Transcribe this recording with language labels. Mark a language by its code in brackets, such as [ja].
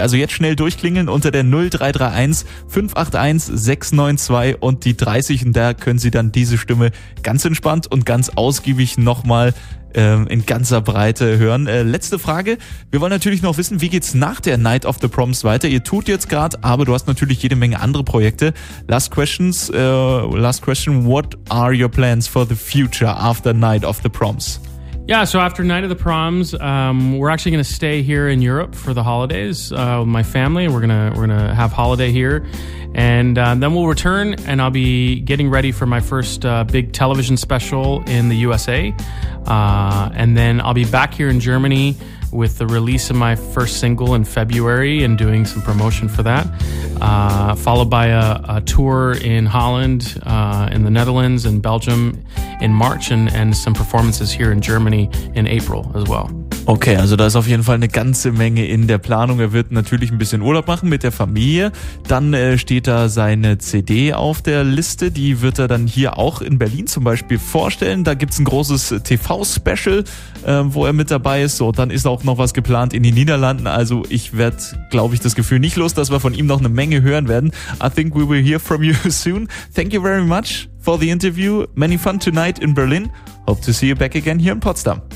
[de] Also jetzt schnell durchklingeln unter der 0331 581 692 und die 30. Und da können Sie dann diese Stimme ganz entspannt und ganz ausgiebig nochmal in ganzer Breite hören. Letzte Frage. Wir wollen natürlich noch wissen, wie geht's nach der Night of the Proms weiter? Ihr tut jetzt gerade, aber du hast natürlich jede Menge andere Projekte. [en] Last question. What are your plans for the future after Night of the Proms? Yeah, so after Night of the Proms, we're actually going to stay here in Europe for the holidays with my family. We're gonna have holiday here, and then we'll return, and I'll be getting ready for my first big television special in the USA, and then I'll be back here in Germany with the release of my first single in February and doing some promotion for that, followed by a tour in Holland, in the Netherlands and Belgium in March and some performances here in Germany in April as well. [de] Okay, also da ist auf jeden Fall eine ganze Menge in der Planung. Er wird natürlich ein bisschen Urlaub machen mit der Familie. Dann steht da seine CD auf der Liste. Die wird er dann hier auch in Berlin zum Beispiel vorstellen. Da gibt's ein großes TV-Special, wo er mit dabei ist. So, dann ist auch noch was geplant in den Niederlanden. Also ich werde, glaube ich, das Gefühl nicht los, dass wir von ihm noch eine Menge hören werden. [en] I think we will hear from you soon. Thank you very much for the interview. Many fun tonight in Berlin. Hope to see you back again here in Potsdam.